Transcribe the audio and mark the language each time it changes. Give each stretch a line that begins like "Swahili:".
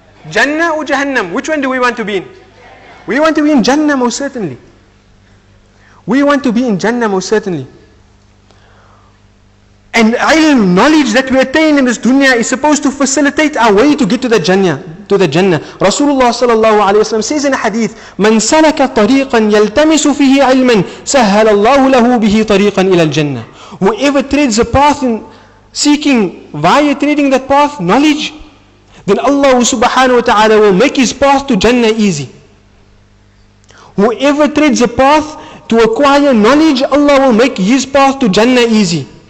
English: Jannah or Jahannam? Which one do we want to be in? We want to be in Jannah most certainly. We want to be in Jannah most certainly. And ilm, knowledge that we attain in this dunya is supposed to facilitate our way to get to the Jannah. To the Jannah.
Arabic: Rasulullah sallallahu alayhi wa sallam
English: says in a hadith,
Arabic: من سلك طريقا يلتمس فيه علما سهل الله له به طريقا إلى الجنة.
English: Whoever treads a path in seeking, via treading that path, knowledge, then Allah subhanahu wa ta'ala will make his path to Jannah easy. Whoever treads a path to acquire knowledge, Allah will make his path to Jannah easy.